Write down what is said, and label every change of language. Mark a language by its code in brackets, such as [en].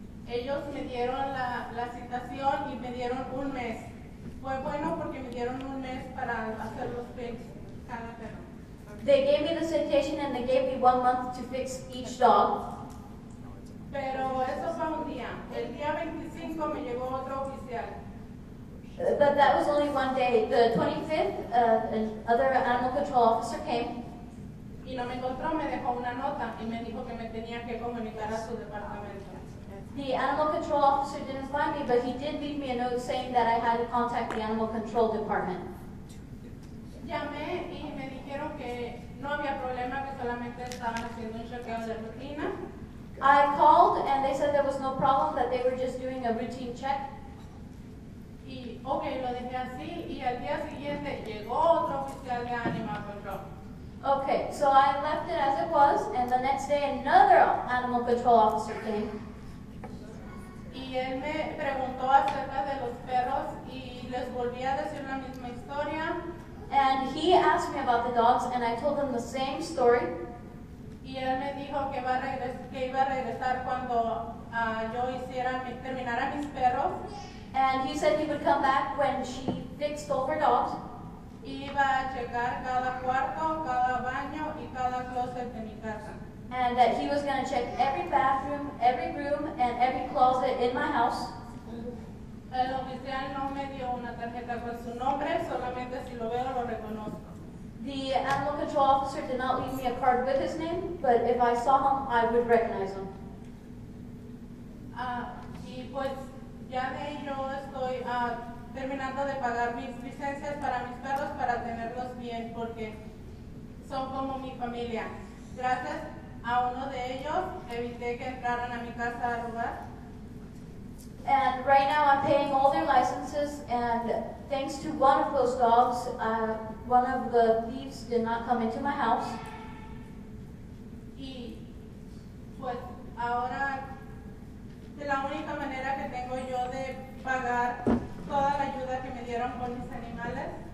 [es] Ellos me dieron la citación y me dieron un mes. Fue bueno porque me dieron un mes para hacer los pics cada perro. [en] They gave me the citation and they gave me 1 month to fix each dog. [es] Pero eso fue un día. El día 25 me llegó otro oficial. [en] But that was only one day. The 25th, another animal control officer came. [es] Y no me encontró, me dejó una nota y me dijo que me tenía que comunicar a su departamento. [en] The animal control officer didn't find me, but he did leave me a note saying that I had to contact the animal control department. [es] Llamé y me dijeron que no había problema, que solamente estaban haciendo un chequeo de rutina. [en] I called and they said there was no problem, that they were just doing a routine check. [es] Y okay, lo dejé así y al día siguiente llegó otro oficial de animal control. [en] Okay, so I left it as it was, and the next day another animal control officer came. [es] Y él me preguntó acerca de los perros y les volví a decir la misma historia. [en] And he asked me about the dogs and I told him the same story. [es] Y él me dijo que iba a regresar cuando yo terminara mis perros. [en] And he said he would come back when she fixed all her dogs. [es] Y iba a checar cada cuarto, cada baño y cada closet de mi casa. [en] And that he was going to check every bathroom, every room, and every closet in my house. [es] El oficial no me dio una tarjeta con su nombre, solamente si lo veo lo reconozco. [en] The animal control officer did not leave me a card with his name, but if I saw him, I would recognize him. [es] Y pues ya de yo estoy terminando de pagar mis licencias para mis perros para tenerlos bien, porque son como mi familia. Gracias a uno de ellos, evité que entraran a mi casa a robar. [en] And right now I'm paying all their licenses, and thanks to one of those dogs, one of the thieves did not come into my house. [es] Y pues ahora, de la única manera que tengo yo de pagar toda la ayuda que me dieron con mis animales.